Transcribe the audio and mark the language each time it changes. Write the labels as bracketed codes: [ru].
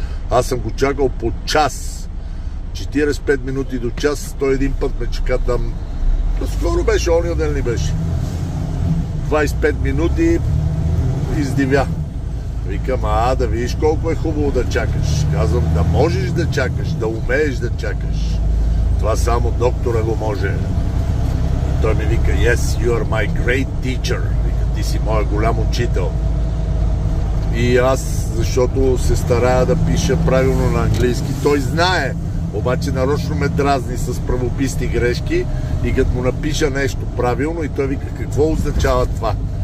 [bg] Аз съм го чакал по час, 45 минути до час, той един път ме чака там, скоро беше, ония ден ли беше, 25 минути, издивя. Викам, да видиш колко е хубаво да чакаш. Казвам, да можеш да чакаш, да умееш да чакаш, това само доктора го може. Той ми вика, [en] yes, you are my great teacher. [bg] Вика, ти си моя голям учител. И аз, защото се старая да пиша правилно на английски, той знае, обаче нарочно ме дразни с правописни грешки и като му напиша нещо правилно, и той вика, какво означава това?